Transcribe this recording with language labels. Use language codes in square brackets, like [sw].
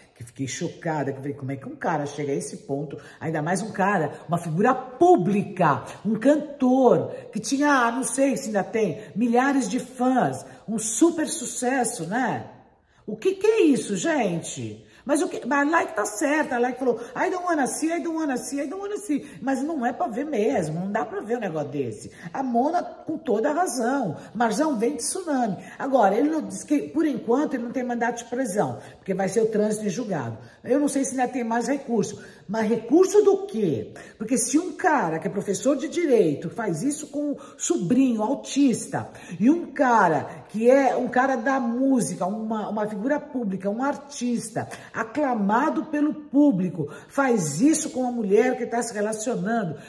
[pt] Que fiquei chocada, que falei, como é que um cara chega a esse ponto? Ainda mais um cara, uma figura pública, um cantor, que tinha, não sei se ainda tem, milhares de fãs, um super sucesso, né? O que que é isso, gente? Mas o que? Mas a Like tá certa. A Like falou, [en] I don't wanna see, I don't wanna see, I don't wanna see. [pt] Mas não é pra ver mesmo, não dá pra ver um negócio desse. A Mona com toda a razão. Marzão, vem de tsunami. Agora, ele não disse que, por enquanto, ele não tem mandato de prisão, porque vai ser o trânsito em julgado. Eu não sei se ainda tem mais recurso. Mas recurso do quê? Porque se um cara que é professor de direito faz isso com um sobrinho autista, e um cara que é um cara da música, uma figura pública, um artista, aclamado pelo público, faz isso com uma mulher que está se relacionando.